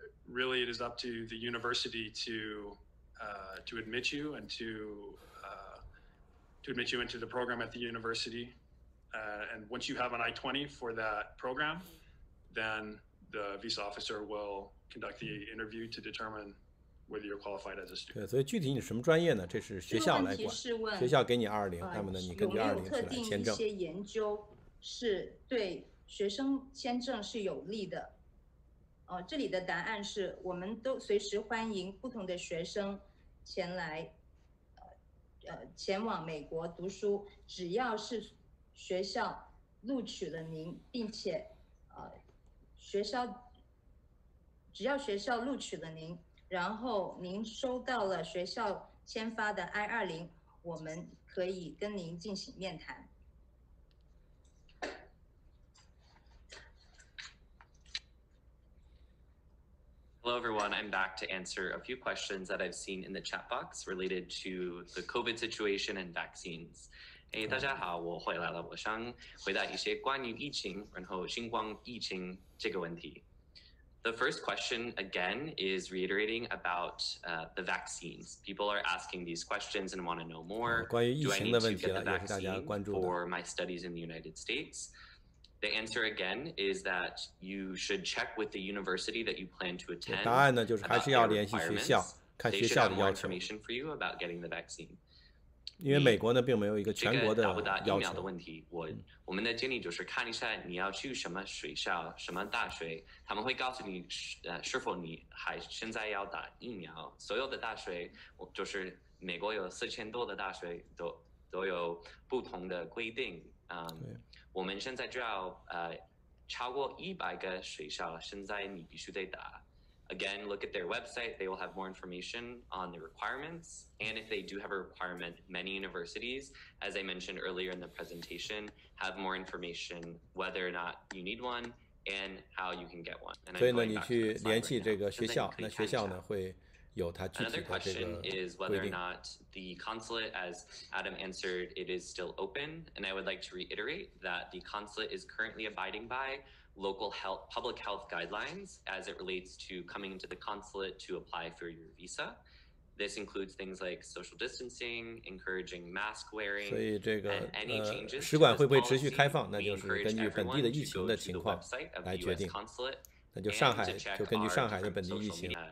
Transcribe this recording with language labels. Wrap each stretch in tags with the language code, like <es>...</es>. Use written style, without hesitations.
<en>Really, it is up to the university to admit you and to admit you into the program at the university. And once you have an I-20 for that program, then the visa officer will conduct the interview to determine whether you're qualified as a student.</en> <zh>对，所以具体你什么专业呢？这是学校来管。这个问题是问学校给你20，那么呢，你根据20去来签证。有没有特定一些研究是对学生签证是有利的？这里的答案是我们都随时欢迎不同的学生前来前往美国读书，只要是学校录取了您，并且只要学校录取了您，然后您收到了学校签发的 I-20， 我们可以跟您进行面谈。</zh> <en>Hello everyone, I'm back to answer a few questions that I've seen in the chat box related to the COVID situation and vaccines.</en> <zh>Hey, 大家好，我回来了，我想回答一些关于疫情，然后新冠疫情这个问题。</zh> <en>The first question again is reiterating about the vaccines. People are asking these questions and want to know more.</en> <zh>关于疫情的问题，也是大家关注的。</zh> <en>For my studies in the United States. The answer again is that you should check with the university that you plan to attend.</en> <zh>答案呢，就是还是要联系学校，看学校的要求。</zh> <en>They should have more information for you about getting the vaccine.</en> <zh>因为美国呢，并没有一个全国的要求。这个打不打疫苗的问题，我们的建议就是看一下你要去什么学校、什么大学，他们会告诉你是否你还现在要打疫苗。所有的大学，就是美国有4000多的大学，都有不同的规定。我们现在就要超过100个学校，现在你必须得打。</zh> <en>Again, look at their website. They will have more information on the requirements. And if they do have a requirement, many universities, as I mentioned earlier in the presentation, have more information whether or not you need one and how you can get one.</en> <zh>所以呢，你去联系这个学校，那学校呢会有它具体的这个规定。</zh> <en>Another question is whether or not the consulate, as Adam answered, it is still open. And I would like to reiterate that the consulate is currently abiding by local health, public health guidelines as it relates to coming into the consulate to apply for your visa. This includes things like social distancing, encouraging mask wearing,</en> <zh>所以这个</zh> <en>and any changes</en> <zh>使馆会不会持续开放，那就是根据本地的疫情的情况来决定。那就上海，就根据上海的本地疫情。</zh>